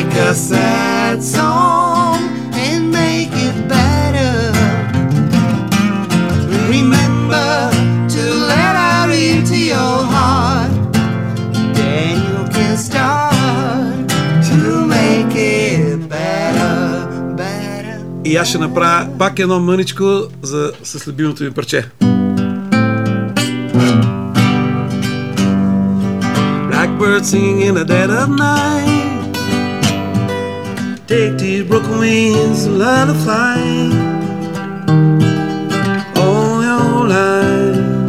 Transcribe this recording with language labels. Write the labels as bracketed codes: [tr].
[en] A sad song and make it better. Remember to let out into your heart, then you can start to make it better. [bg] И аз ще направя пак едно мъничко за с любимото ми парче. [en] Blackbird singing in the dead of night. Take these broken wings and learn to fly all your life.